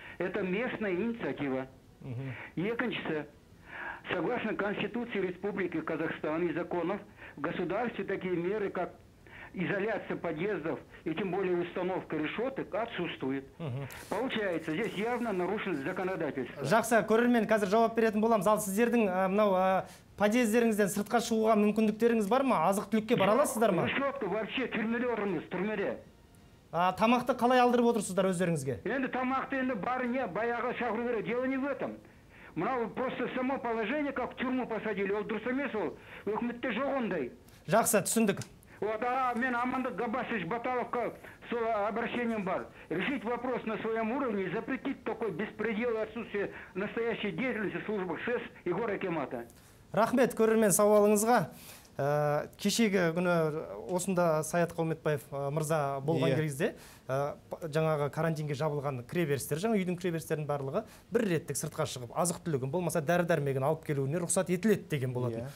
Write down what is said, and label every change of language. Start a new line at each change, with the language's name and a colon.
Russian: Это местная инициатива. Екіншісі, согласно Конституции Республики Казахстан и законов, в государстве такие меры, как изоляция подъездов и тем более установка решеток отсутствует. Получается, здесь явно нарушен законодательство.
Kazakh: Жақсы, көрермен, қазір жауап беретін боламыз. Ал сіздердің мынау подъездеріңізден сыртқа шығуға мүмкіндіктеріңіз бар ма? Азық түлікке бара аласыздар ма? Жоқ, вообще түрмеде отырмыз, түрмеде. Тамақты қалай алдырып отырсыздар өздеріңізге? Енді тамақты енді бар не, баяғы шақыру керек,
Russian: дело не в этом.
Kazakh: Мынау
Russian: просто само положение, как в тюрьму посадили,
Kazakh: ол дұрыс емес ол. Өкіметте жоқ ондай. Жақсы, түсіндік.
Russian: Вот, а мен Аманда Габасович Баталовка с обращением бар. Решить вопрос на своем уровне и запретить такой беспредел и отсутствие настоящей деятельности службы СЭС и горы Акимата.
Kazakh: Рахмет, көрермен сауалыңызға. Кешегі күні осында Саят Қалметбаев мырза болған кезде, жаңағы карантинге жабылған кіреберістер, жаңа үйдің кіреберістерінің барлығы бір реттік сыртқа шығып, азық түлігін болмаса дәрі-дәрмегін алып келуіне рұқсат етіледі деген болады.